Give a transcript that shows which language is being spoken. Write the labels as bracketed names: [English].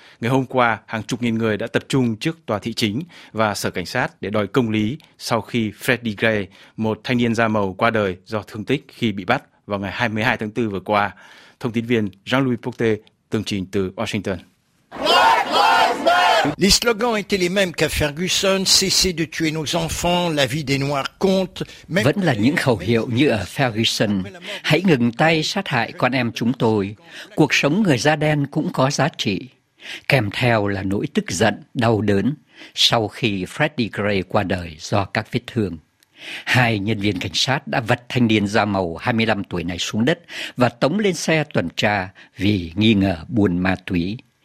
[Vietnamese] Ngày hôm qua, hàng chục nghìn người đã tập trung trước tòa thị chính và sở cảnh sát để đòi công lý sau khi Freddie Gray, một thanh niên da màu, qua đời do thương tích khi bị bắt vào ngày 22 tháng 4 vừa qua. Thông tin viên Jean-Louis Porte tường trình từ Washington. [French] Les slogans étaient les mêmes qu'à Ferguson, cessez de tuer nos enfants, la vie des noirs compte. [Vietnamese] Vẫn là những khẩu hiệu như ở Ferguson, hãy ngừng tay sát hại con em chúng tôi, cuộc sống người da đen cũng có giá trị. Kèm theo là nỗi tức giận, đau đớn sau khi Freddie Gray qua đời do các vết thương. Hai nhân viên cảnh sát đã vật thanh niên da màu 25 tuổi này xuống đất và tống lên xe tuần tra vì nghi ngờ buôn ma túy.